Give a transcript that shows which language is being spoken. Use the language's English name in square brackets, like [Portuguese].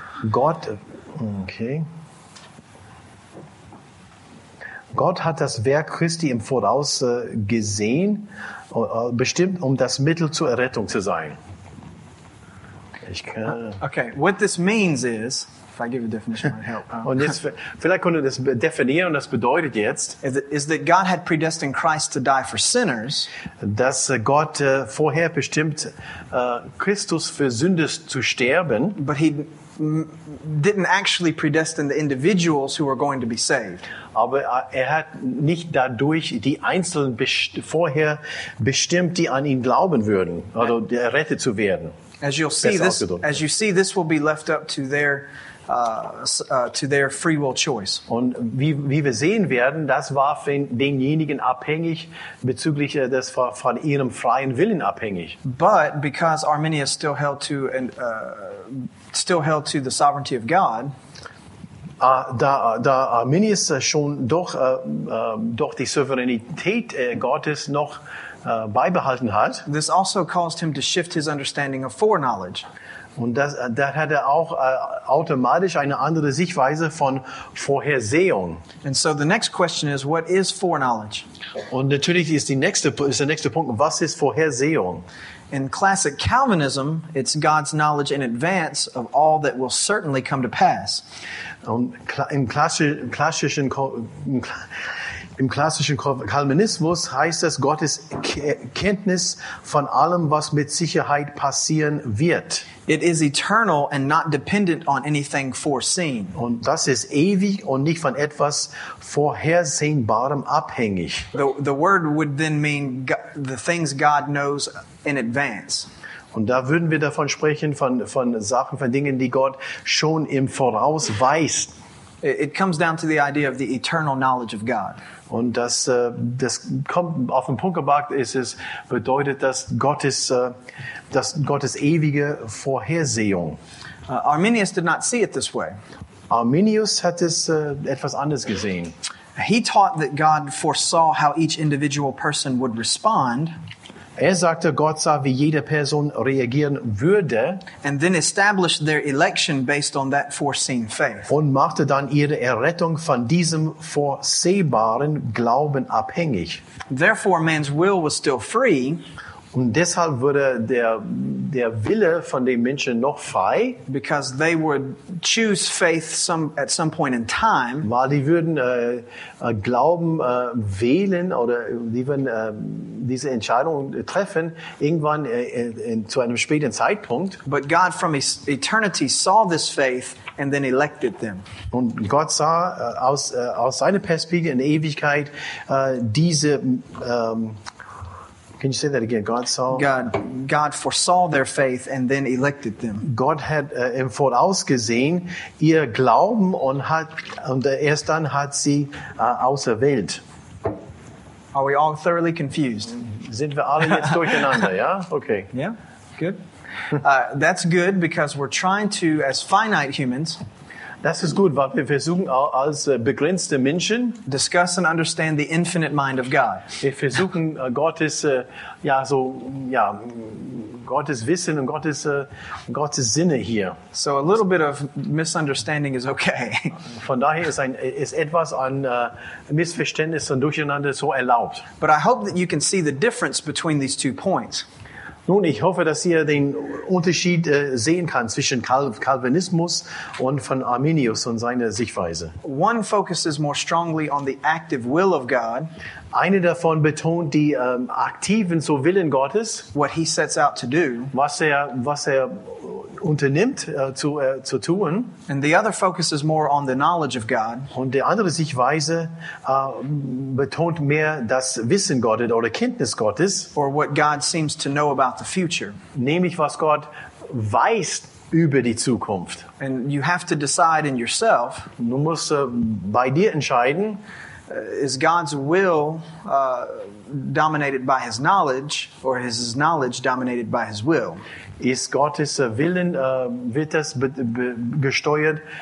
[German] Gott, okay. Gott hat das Werk Christi im Voraus gesehen, bestimmt, um das Mittel zur Errettung zu sein. Ich kann. [English] Okay, what this means is, if I give a definition, I'll help. [German] Und jetzt, vielleicht können wir das definieren, und das bedeutet jetzt, [English] is that God had predestined Christ to die for sinners, [German] dass Gott vorher bestimmt, Christus für Sünde zu sterben, [English] but he didn't actually predestine the individuals who were going to be saved. [German] Aber er hat nicht dadurch die Einzelnen vorher bestimmt, die an ihn glauben würden, also errettet zu werden. [English] As you'll see, this, as you see, this will be left up to their free will choice. [German] Und wie wir sehen werden, das war von denjenigen abhängig, bezüglich das war von ihrem freien Willen abhängig. [English] But because Arminius still held to and still held to the sovereignty of God. [German] Da Arminius schon doch doch die Souveränität Gottes noch beibehalten hat. [English] This also caused him to shift his understanding of foreknowledge. [German] Und da hat er auch automatisch eine andere Sichtweise von Vorhersehung. [English] And so the next question is, what is foreknowledge? [German] Und natürlich ist der nächste Punkt, was ist Vorhersehung? [English] In classic Calvinism, it's God's knowledge in advance of all that will certainly come to pass. [German] Und im klassischen Calvinismus heißt es Gottes Kenntnis von allem, was mit Sicherheit passieren wird. [English] It is eternal and not dependent on anything foreseen. [German] Und das ist ewig und nicht von etwas Vorhersehbarem abhängig. [English] The word would then mean the things God knows in advance. [German] Und da würden wir davon sprechen, von Sachen, von Dingen, die Gott schon im Voraus weiß. [English] It comes down to the idea of the eternal knowledge of God. [German] Und das kommt auf den Punkt gebracht, bedeutet, dass Gottes ewige Vorhersehung. [English] Arminius did not see it this way. [German] Arminius hat es etwas anders gesehen. [English] He taught that God foresaw how each individual person would respond. [German] Er sagte, Gott sah, wie jede Person reagieren würde. [English] And then established their election based on that foreseen faith. [German] Und machte dann ihre Errettung von diesem vorsehbaren Glauben abhängig. [English] Therefore, man's will was still free. [German] Und deshalb wurde der Wille von dem Menschen noch frei. [English] Because they would choose faith at some point in time. [German] Weil die würden Glauben wählen oder die würden diese Entscheidung treffen irgendwann zu einem späten Zeitpunkt. [English] But God from eternity saw this faith and then elected them. [German] Und Gott sah aus seiner Perspektive in Ewigkeit diese [English] Can you say that again? God foresaw their faith and then elected them. [German] Gott hat im Voraus gesehen ihr Glauben erst dann hat sie auserwählt. [English] Are we all thoroughly confused? [German] Sind wir alle jetzt durcheinander, ja? [English] Okay. Yeah, good. That's good because we're trying to, as finite humans, [German] das ist gut, weil wir versuchen als begrenzte Menschen [English] discuss and understand the infinite mind of God. [German] Wir versuchen Gottes Wissen und Gottes Sinne hier. [English] So a little bit of misunderstanding is okay. [German] Von daher ist etwas an Missverständnis und Durcheinander so erlaubt. [English] But I hope that you can see the difference between these two points. [German] Nun, ich hoffe, dass ihr den Unterschied sehen kann zwischen Calvinismus und von Arminius und seiner Sichtweise. [English] One focuses more strongly on the active will of God. [German] Eine davon betont die aktiven so Willen Gottes. [English] What he sets out to do. [German] Was er unternimmt zu tun. [English] And the other focuses more on the knowledge of God. [German] Und die andere Sichtweise betont mehr das Wissen Gottes oder Kenntnis Gottes. [English] Or what God seems to know about the future. [German] Nämlich was Gott weiß über die Zukunft. [English] And you have to decide in yourself. [German] Du musst bei dir entscheiden. [English] Is God's will dominated by his knowledge, or is his knowledge dominated by his will? [German] Ist Gottes Willen, wird das gesteuert